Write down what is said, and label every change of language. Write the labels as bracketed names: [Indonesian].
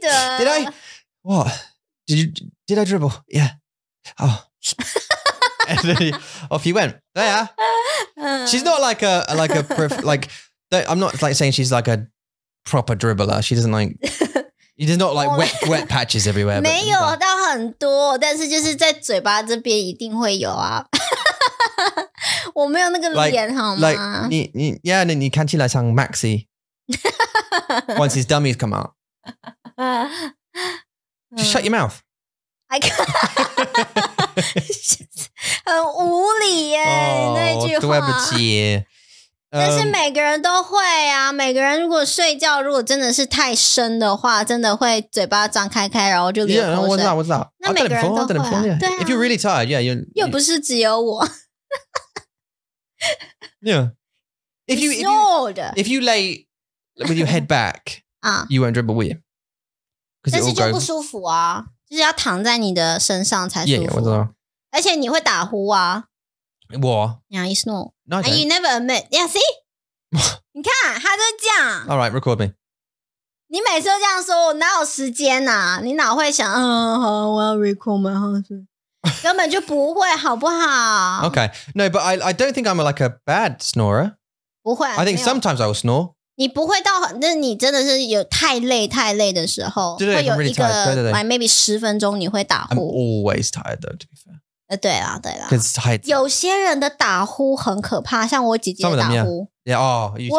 [English] Did I? What? Did I dribble? Yeah. Oh. And then off you went. There. She's not like a I'm not like saying she's like a proper dribbler. She doesn't like, she does not like wet, wet patches everywhere. [Chinese] 没有到很多，但是就是在嘴巴这边一定会有啊。我没有那个脸好吗？ [English] Yeah, [Chinese] 你看起来像 [English] Maxi. Once his dummies come out. Just shut your mouth. I can't. [Chinese] 很无理耶，那句话。对不起。但是每个人都会啊，每个人如果睡觉如果真的是太深的话，真的会嘴巴张开开，然后就流口水。 [English] Yeah, what's that? What's that? [Chinese] 那每个人都会啊。 [English] I've done it before, yeah. If you're really tired, yeah, you're... [Chinese] 又不是只有我。 [English] Yeah. If you... Snored. If you lay with your head back, you won't dribble, will you? [Chinese] 但是就不舒服啊，就是要躺在你的身上才舒服。 [English] Yeah, what's that? [Chinese] 而且你会打呼啊。我 [English] Yeah, you snore. No, and you never admit. Yeah, see? [Chinese] 你看他就这样。 [English] All right, record me. [Chinese] 你每次都这样说，我哪有时间啊？你哪会想，好，我要 [English] record my house. [Chinese] 根本就不会，好不好？ [English] Okay. No, but I don't think I'm like a bad snorer. [Chinese] 不会。 [English] I think sometimes I will snore. [Chinese] 你不会到，那你真的是有太累太累的时候，对对对，会有一个 [English] like maybe [Chinese] 十分钟你会打呼。 [English] I'm always tired though, to be fair. [Chinese] 对啦对啦。有些人的打呼很可怕，像我姐姐的打呼。 [English] Them, yeah. Yeah, oh,